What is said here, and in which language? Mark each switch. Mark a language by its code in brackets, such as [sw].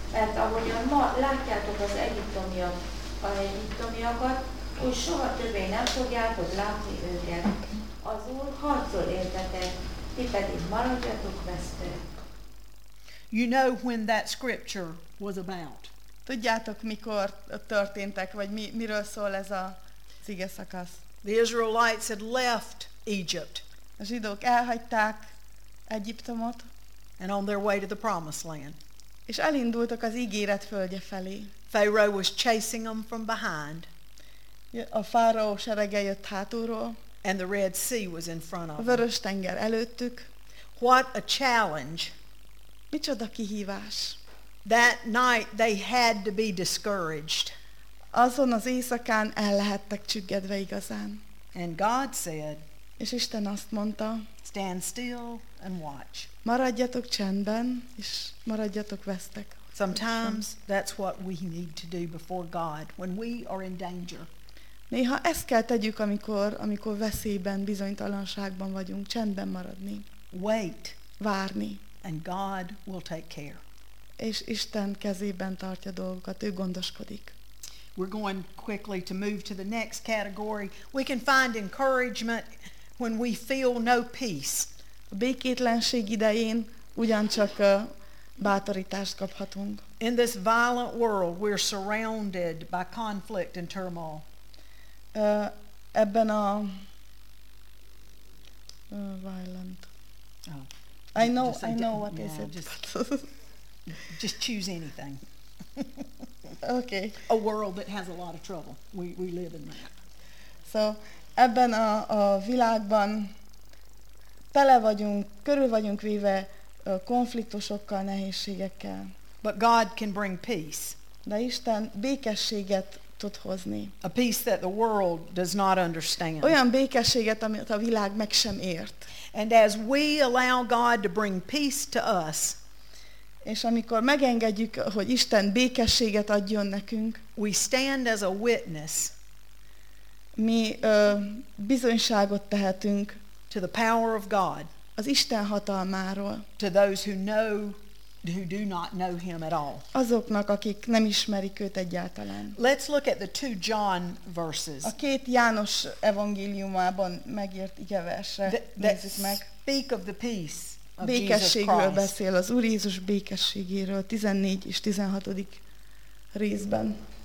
[hu] Mert ahogyan ma látjátok az egyiptomiakat, úgy soha többé nem fogjátok látni őket. Az Úr harcol értetek, ti pedig maradjatok vesztőek. [en] You know when that scripture was about. [hu] Tudjátok, mikor történtek, vagy miről szól ez a ige szakasz. [en] The Israelites had left Egypt. [hu] A zsidók elhagyták Egyiptomot. [en] And on their way to the promised land. [hu] És elindultak az ígéret földje felé. [en] Pharaoh was chasing them from behind. [hu] A fáraó serege jött hátulról. [en] And the Red Sea was in front of them. [hu] A vörös tenger előttük. [en] What a challenge. [hu] Micsoda kihívás. [en] That night they had to be discouraged. [hu] Azon az éjszakán el lehettek csüggedve igazán. [en] And God said, [hu] és Isten azt mondta, [en] stand still and watch. [hu] Maradjatok csendben, és maradjatok vesztek. [en] Sometimes that's what we need to do before God when we are in danger. [hu] Néha ezt kell tegyük, amikor veszélyben, bizonytalanságban vagyunk, csendben maradni. [en] Wait. [hu] Várni. [en] And God will take care. [hu] És Isten kezében tartja dolgokat, ő gondoskodik. [en] We're going quickly to move to the next category. We can find encouragement when we feel no peace. [hu] A békétlenség idején ugyancsak bátorítást kaphatunk. [en] In this violent world, we're surrounded by conflict and turmoil. [hu] Ebben a violent. Oh. [en] I know what is it. just choose anything. Okay. A world that has a lot of trouble. We live in that. [hu] So, ebben a világban tele vagyunk, körül vagyunk véve konfliktusokkal, nehézségekkel. [en] But God can bring peace. [hu] De Isten békességet tud hozni. [en] A peace that the world does not understand. [hu] Olyan békességet, amit a világ meg sem ért. [en] And as we allow God to bring peace to us, [hu] és amikor megengedjük, hogy Isten békességet adjon nekünk, [en] we stand as a witness. [hu] Mi bizonyságot tehetünk [en] to the power of God, [hu] az Isten hatalmáról, [en] to those who do not know him at all. [hu] Azoknak, akik nem ismerik őt egyáltalán. [en] Let's look at the two John verses. [hu] A két János evangéliumában megírt igeversre nézzük meg. [en] Speak of the peace. [hu] Békességről beszél, az Úr Jézus békességéről, 14 és 16. részben.